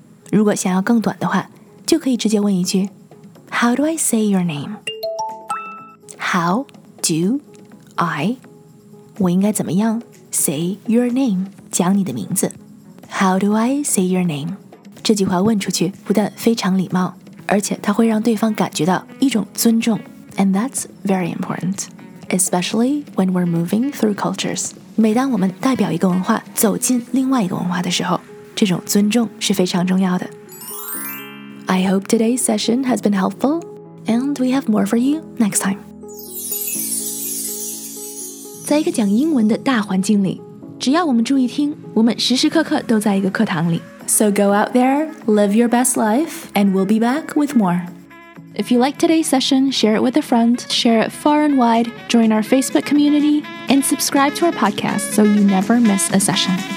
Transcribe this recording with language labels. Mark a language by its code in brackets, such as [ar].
[zh] 如果想要更短的话，就可以直接问一句 [en] How do I say your name? How do I [zh] 我应该怎么样 [en] Say your name [zh] 讲你的名字 [en] How do I say your name? [zh] 这句话问出去不但非常礼貌，而且它会让对方感觉到一种尊重。 [en] And that's very important, especially when we're moving through cultures. [zh] 每当我们代表一个文化走进另外一个文化的时候，这种尊重是非常重要的。 [en] I hope today's session has been helpful, and we have more for you next time. [zh] 在一个讲英文的大环境里，只要我们注意听，我们时时刻刻都在一个课堂里。 [en] So go out there, live your best life, and we'll be back with more. If you like today's session, share it with a friend, share it far and wide, join our Facebook community, and subscribe to our podcast so you never miss a session.